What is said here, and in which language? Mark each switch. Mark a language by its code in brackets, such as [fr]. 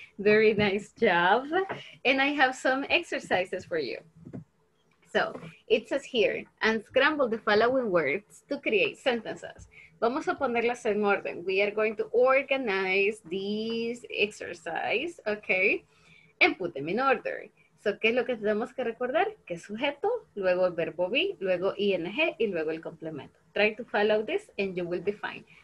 [en] Very nice job. And I have some exercises for you. So it says here, unscramble the following words to create sentences. [es] Vamos a ponerlas en orden. [en] We are going to organize these exercises, okay? And put them in order. [es] So, ¿qué es lo que tenemos que recordar? Que sujeto, luego el verbo be, luego ing, y luego el complemento. [en] Try to follow this and you will be fine.